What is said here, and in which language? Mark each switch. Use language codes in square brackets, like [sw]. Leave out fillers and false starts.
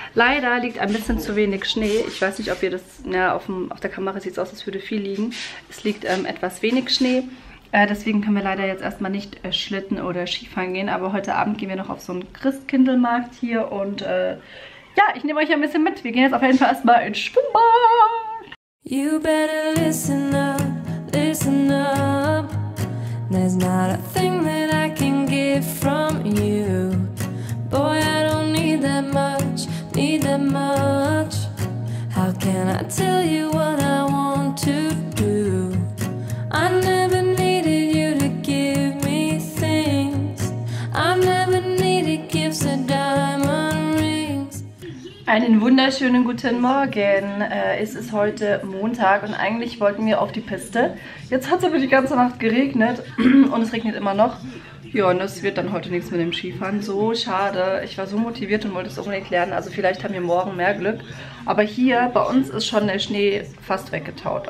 [de] Leider liegt ein bisschen zu wenig Schnee. Ich weiß nicht, ob ihr das, ja, auf der Kamera sieht es aus, als würde viel liegen. Es liegt etwas wenig Schnee. Deswegen können wir leider jetzt erstmal nicht Schlitten oder Skifahren gehen. Aber heute Abend gehen wir noch auf so einen Christkindlmarkt hier. Und ja, ich nehme euch ein bisschen mit. Wir gehen jetzt auf jeden Fall erstmal ins Schwimmbad. [en] You better listen up, there's not a thing that I can give from you. Boy, I don't need that much, how can I tell you what I want to do? I never needed you to give me things, I never needed gifts or diamond rings. [de] Einen wunderschönen guten Morgen. Es ist heute Montag und eigentlich wollten wir auf die Piste. Jetzt hat es aber die ganze Nacht geregnet und es regnet immer noch. Ja, und es wird dann heute nichts mit dem Skifahren. So schade. Ich war so motiviert und wollte es unbedingt lernen. Also vielleicht haben wir morgen mehr Glück. Aber hier bei uns ist schon der Schnee fast weggetaut.